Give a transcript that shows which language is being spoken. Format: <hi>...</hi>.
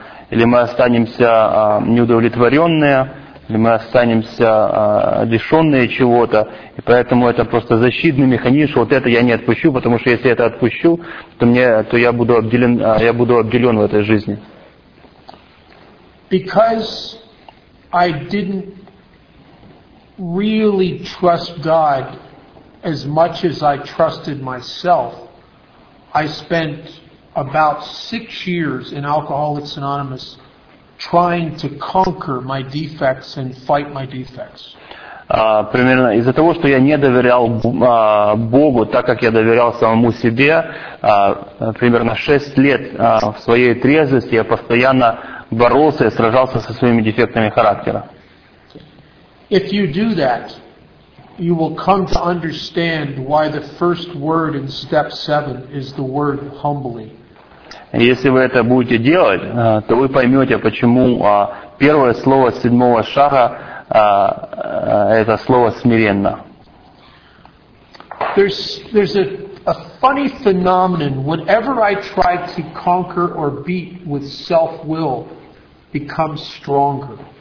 <ru>или мы останемся неудовлетворенные, или мы останемся лишенные чего-то, и поэтому это просто защитный механизм, что вот это я не отпущу, потому что если это отпущу, то я буду обделен, в этой жизни.</ru> <en>Because I didn't really trust God as much as I trusted myself, I spent about 6 years in Alcoholics Anonymous trying to conquer my defects and fight my defects.</en> <ru>Примерно из-за того, что я не доверял Богу, так как я доверял самому себе, примерно 6 лет в своей трезвости я постоянно боролся и сражался со своими дефектами характера.</ru> <en>If you do that, you will come to understand why the first word in step 7 is the word humbly.</en> <ru>Если вы это будете делать, то вы поймете, почему первое слово седьмого шага это слово смиренно.</ru> <en>There's a funny phenomenon. Whatever I try to conquer or beat with self-will becomes stronger.</en>